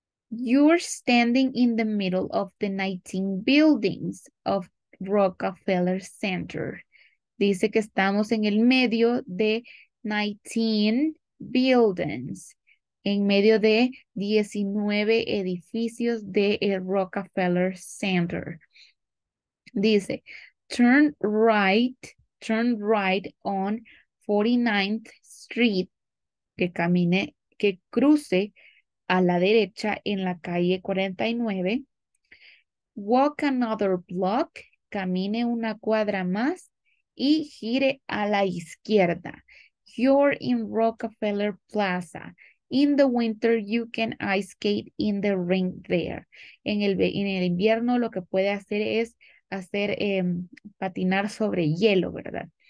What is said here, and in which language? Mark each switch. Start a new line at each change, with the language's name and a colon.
English: You're standing in the middle of the 19 buildings of Rockefeller Center.
Spanish: Dice que estamos en el medio de 19 buildings, en medio de 19 edificios de el Rockefeller Center. Dice,
English: turn right on 49th Street,
Spanish: que camine, que cruce a la derecha en la calle 49.
English: Walk another block,
Spanish: camine una cuadra más y gire a la izquierda.
English: You're in Rockefeller Plaza. In the winter, you can ice skate in the rink there.
Spanish: En el invierno, lo que puede hacer es hacer patinar sobre hielo, ¿verdad?